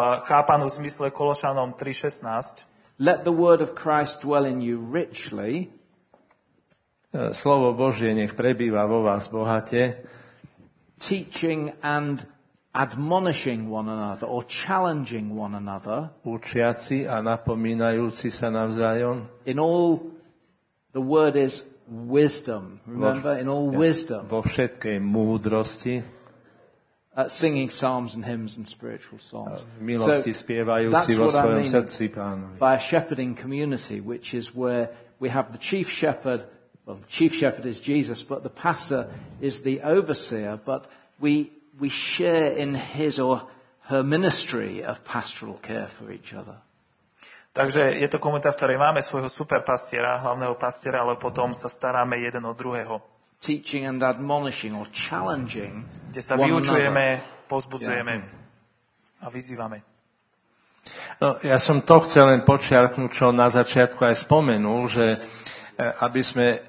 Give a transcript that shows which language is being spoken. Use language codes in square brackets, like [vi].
[sk] Chápanú v zmysle Kološanom 3:16. [en] Let the word of Christ dwell in you richly. [sk] Slovo Božie nech prebýva vo vás bohate. [en] Teaching and admonishing one another or challenging one another, [sk] učiaci a napomínajúci sa navzájom, [en] in all the word is wisdom, remember, in all wisdom, [sk] vo všetkej múdrosti, [en] singing psalms and hymns and spiritual songs, [sk] milosti spievajúci vo svojom srdci Pánovi, [en] by a shepherding community, which is where we have the chief shepherd. Well, the chief shepherd is Jesus, but the pastor is the overseer, but we share in his or her ministry of pastoral care for each other. [sk] Takže je to komunita, v ktorej máme svojho superpastiera, hlavného pastiera, ale potom sa staráme jeden o druhého. [en] Teaching and admonishing or challenging, [sk] kde sa vyučujeme, pozbudzujeme a vyzývame. No, ja som to chcel len počiarknúť, čo na začiatku aj spomenul, že aby sme...